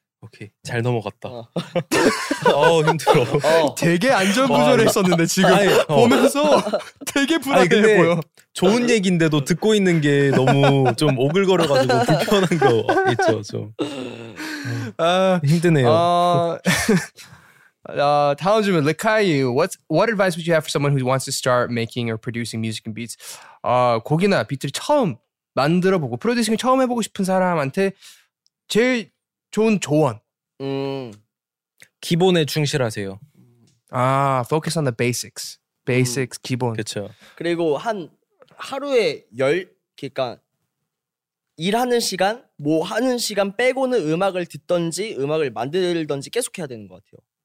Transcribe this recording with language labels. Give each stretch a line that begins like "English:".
Korean: 오케이 잘 넘어갔다. 힘들어. 되게 안전부절했었는데 지금 아니, 보면서 되게 불안해 보여. 좋은 얘기인데도 듣고 있는 게 너무 좀 오글거려가지고 불편한 거 있죠 좀. 힘드네요. 다음 질문,
English: Lekai, what advice would you have for someone who wants to start making or producing music and beats?
Korean: 곡이나 비트를 처음 만들어보고 프로듀싱을 처음 해보고 싶은 사람한테 제일 좋은 조언. 기본에 충실하세요.
English: 아, focus on the basics. Basics, 기본.
Korean: 그렇죠. 그리고 한 하루에 그러니까 일하는 시간, 뭐 하는 시간 빼고는 음악을 듣던지 음악을 만들던지 계속 해야 되는 것 같아요.